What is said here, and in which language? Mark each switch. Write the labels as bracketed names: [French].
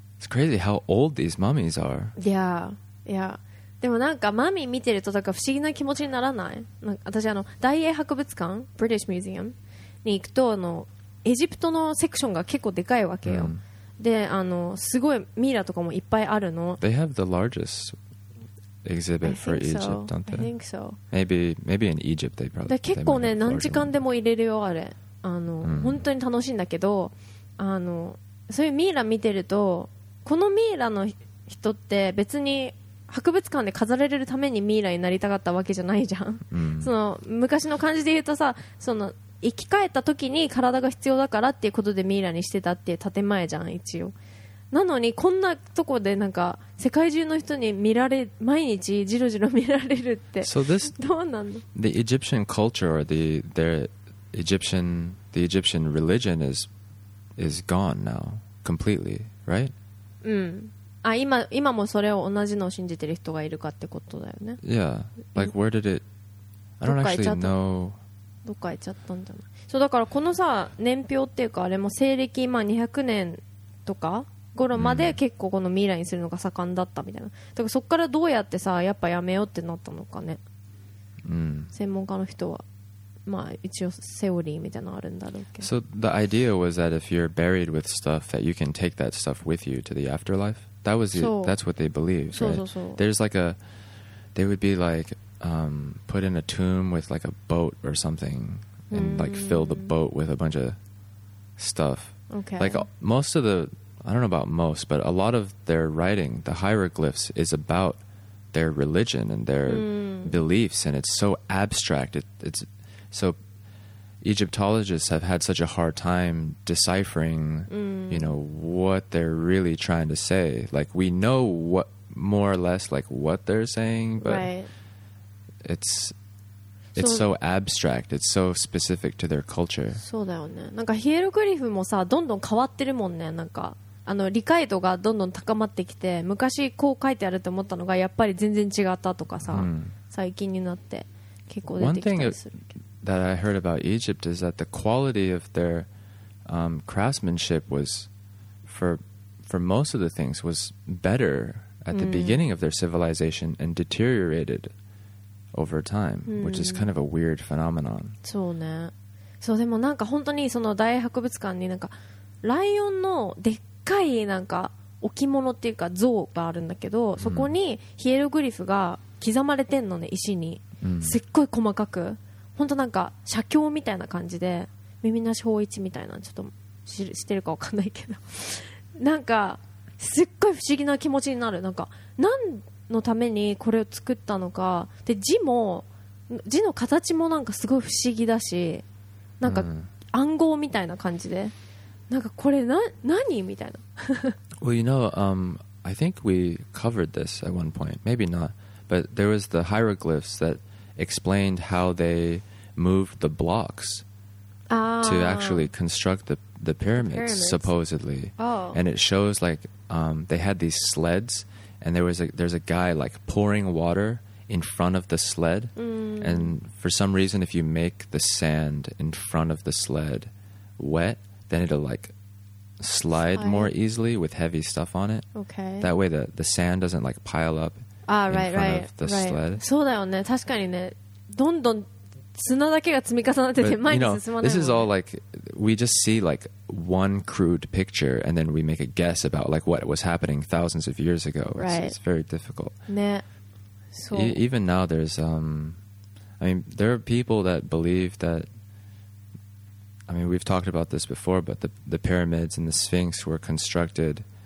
[English] It's crazy how old these mummies are. Yeah, yeah. [Japanese] でもなんかマミー見てるとなんか不思議な気持ちにならない？なんか私あの大英博物館 British Museum に行くと、あのエジプトのセクションが結構でかいわけよ。で、あのすごいミイラとかもいっぱいあるの。 [English] They have the largest exhibit for Egypt, don't they? I think so. Maybe in Egypt they probably. [Japanese] で結構ね何時間でも入れるよあれ。あの、うん、本当に楽しいんだけど、あのそういうミイラ見てると、このミイラの人って別に博物館で飾られるためにミイラになりたかったわけじゃないじゃん、うん、その昔の感じで言うとさ、その生き返った時に体が必要だからっていうことでミイラにしてたっていう建前じゃん一応。なのにこんなとこでなんか世界中の人に見られ、毎日ジロジロ見られるって、 [English] so、this, [Japanese] どうなんの。 [English] The Egyptian culture or the Egyptian religion is gone now completely, right? [Japanese] うん、あ、今もそれを同じのを信じてる人がいるかってことだよね。 [English] Yeah, like where did it... I don't actually know... [Japanese] どっか行っちゃったんじゃない。そうだからこのさ、年表っていうかあれも西暦今200年とか頃まで結構このミイラにするのが盛んだったみたいな。だからそっからどうやってさ、やっぱやめようってなったのかね。うん。専門家の人は、まあ一応セオリーみたいなのあるんだろうけど。 [English] So the idea was that if you're buried with stuff that you can take that stuff with you to the afterlife? That was the, that's what they believe. So, right? There's like a, they would be like, put in a tomb with like a boat or something, and like fill the boat with a bunch of stuff. Okay. Like most of the, I don't know about most, but a lot of their writing, the hieroglyphs, is about their religion and their beliefs, and it's so abstract. It's so Egyptologists have had such a hard time deciphering, you know, what they're really trying to say. Like, we know what, more or less, like, what they're saying, but it's so abstract. It's so specific to their culture. [Japanese] そうだよね。なんかヒエログリフもさ、どんどん変わってるもんね。なんか、あの、理解度がどんどん高まってきて、昔こう書いてあると思ったのが、やっぱり全然違ったとかさ、最近になって結構出てきたりするけど。 [English] That I heard about Egypt is that the quality of their craftsmanship was, for most of the things, was better at the beginning of their civilization and deteriorated over time, which is kind of a weird phenomenon. [Japanese] そうね。そう、でもなんか本当にその大博物館になんかライオンのでっかいなんか置物っていうか像があるんだけど、そこにヒエログリフが刻まれてんのね、石に。すっごい細かく。本当なんか写経みたいな感じで、耳なし芳一みたいな、ちょっと してるか分かんないけどなんかすっごい不思議な気持ちになる。なんか何のためにこれを作ったのかで、字の形もなんかすごい不思議だし、なんか暗号みたいな感じで、なんかこれ何みたいな。 [English] Well, you know, I think we covered this at one point, maybe not, but there was the hieroglyphs thatexplained how they moved the blocks to actually construct the pyramids, supposedly. Oh. And it shows like they had these sleds, and there's a guy like pouring water in front of the sled. And for some reason, if you make the sand in front of the sled wet, then it'll like slide more easily with heavy stuff on it. Okay. That way the sand doesn't like pile up. Ah, right, right, right. [Japanese] そうだよね、確かにね、どんどん砂だけが積み重なってて前に進まないもんね。 [English] This is all like, we just see like one crude picture and then we make a guess about like what was happening thousands of years ago. Right. It's very difficult. [Japanese] ね。そう。 [English] Even now there's, I mean, there are people that believe that, I mean, we've talked about this before, but the pyramids and the Sphinx were constructed